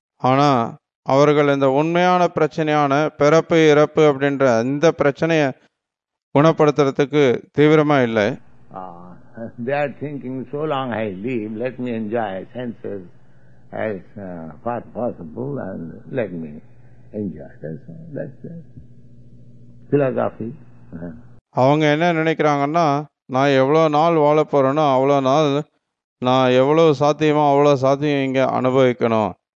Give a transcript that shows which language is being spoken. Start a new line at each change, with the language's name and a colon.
Tamil: ஆனா அவர்கள் இந்த உண்மையான பிரச்சனையான பிறப்பு இறப்பு அப்படின்ற இந்த பிரச்சனைய குணப்படுத்துறதுக்கு தீவிரமா இல்லை.
English: They are thinking, so long I live, let me enjoy senses as far possible and let me enjoy. That's the philosophy.
Tamil: அவங்க என்ன நினைக்கிறாங்கன்னா, நான் எவ்வளவு நாள் வாழ போறேனோ அவ்வளவு நாள் நான் எவ்வளவு சாத்தியமோ அவ்வளவு சாத்தியம் இங்க அனுபவிக்கணும்.